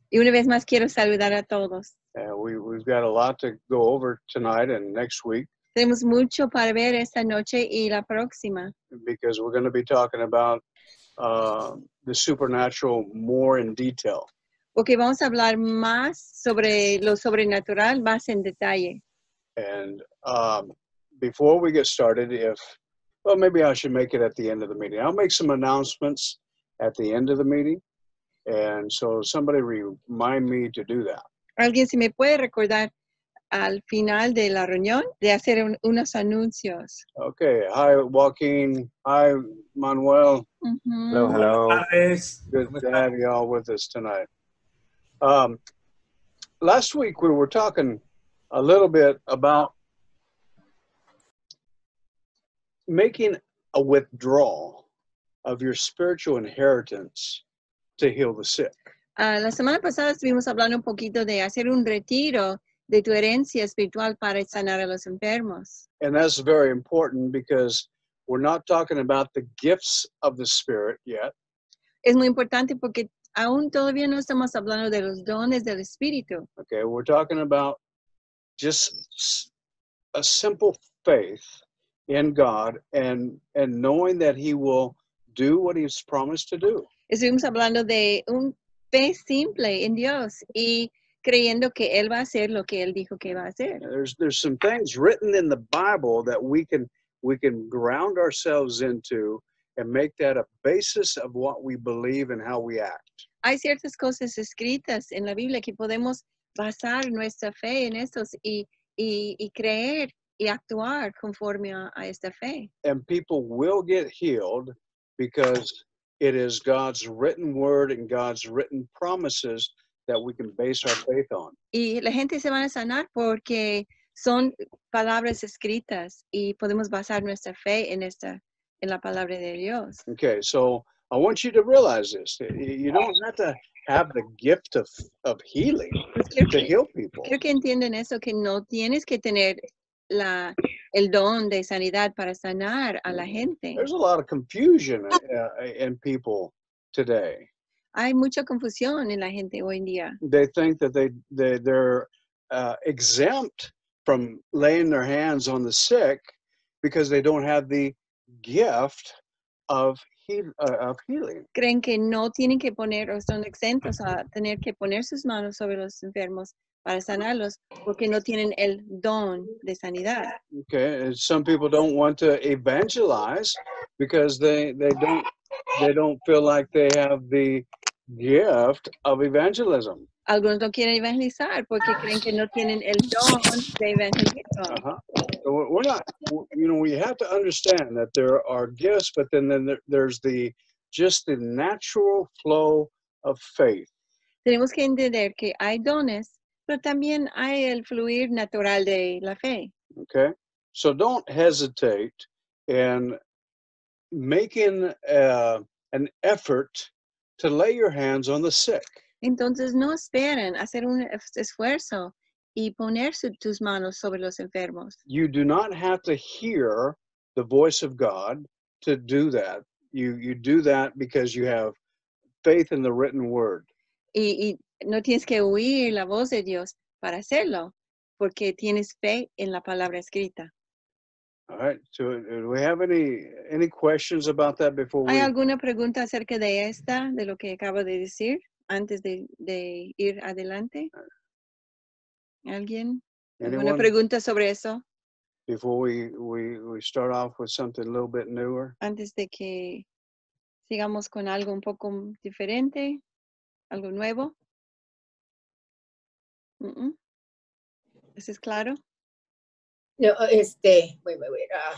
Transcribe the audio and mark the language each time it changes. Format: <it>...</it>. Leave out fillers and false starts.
<es>Y una vez más quiero saludar a todos.</es> <en>We've got a lot to go over tonight and next week.</en> <es>Tenemos mucho para ver esta noche y la próxima.</es> <en>Because we're going to be talking about the supernatural more in detail.</en> <es>Porque vamos a hablar más sobre lo sobrenatural más en detalle.</es> <en>And before we get started, maybe I should make it at the end of the meeting. I'll make some announcements at the end of the meeting. And so somebody remind me to do that.</en> <es>Alguien si me puede recordar al final de la reunión de hacer unos anuncios.</es> <en>Okay, hi Joaquin, hi Manuel. Mm-hmm. Hello, hello. Good to have you all with us tonight. Last week we were talking a little bit about making a withdrawal of your spiritual inheritance to heal the sick.</en> <es>La semana pasada estuvimos hablando un poquito de hacer un retiro de tu herencia espiritual para sanar a los enfermos.</es> <en>And that's very important because we're not talking about the gifts of the Spirit yet.</en> <es>Es muy importante porque aún todavía no estamos hablando de los dones del Espíritu.</es> <en>Okay, we're talking about just a simple faith in God and knowing that He will do what He's promised to do.</en> <es>Estuvimos hablando de un fe simple en Dios y creyendo que Él va a hacer lo que Él dijo que va a hacer.</es> <en>There's some things written in the Bible that we can ground ourselves into and make that a basis of what we believe and how we act.</en> <es>Hay ciertas cosas escritas en la Biblia que podemos basar nuestra fe en estos y creer y actuar conforme a esta fe.</es> <en>And people will get healed because it is God's written word and God's written promises that we can base our faith on.</en> <es>Y la gente se van a sanar porque son palabras escritas y podemos basar nuestra fe en esta en la palabra de Dios.</es> <en>Okay, so I want you to realize this. You don't have to have the gift of healing to heal people.</en> <es>Creo que entienden eso, que no tienes que tener el don de sanidad para sanar a la gente.</es> <en>There's a lot of confusion in people today.</en> <es>Hay mucha confusión en la gente hoy en día.</es> <en>They think that they're exempt from laying their hands on the sick because they don't have the gift of healing.</en> <es>Creen que no tienen que poner o son exentos a tener que poner sus manos sobre los enfermos para sanarlos porque no tienen el don de sanidad.</es> <en>Okay, and some people don't want to evangelize because they don't feel like they have the gift of evangelism.</en> <es>Algunos no quieren evangelizar porque creen que no tienen el don de evangelismo. Uh-huh.</es> <en>So we're not, you know, we have to understand that there are gifts, but then there's the natural flow of faith.</en> <es>Tenemos que entender que hay dones, pero también hay el fluir natural de la fe.</es> <en>Okay, so don't hesitate in making an effort to lay your hands on the sick.</en> <es>Entonces no esperen hacer un esfuerzo y poner tus manos sobre los enfermos.</es> <en>You do not have to hear the voice of God to do that. You do that because you have faith in the written word.</en> <es>Y no tienes que oír la voz de Dios para hacerlo porque tienes fe en la palabra escrita.</es> <en>All right. So do we have any questions about that before</en> <es>¿Hay alguna pregunta acerca de esta de lo que acabo de decir? Antes de ir adelante, alguien, ¿alguna pregunta sobre eso?</es> <en>Before we start off with something a little bit newer.</en> <es>Antes de que sigamos con algo un poco diferente, algo nuevo. ¿Eso es claro?</es> <en>No, wait.</en>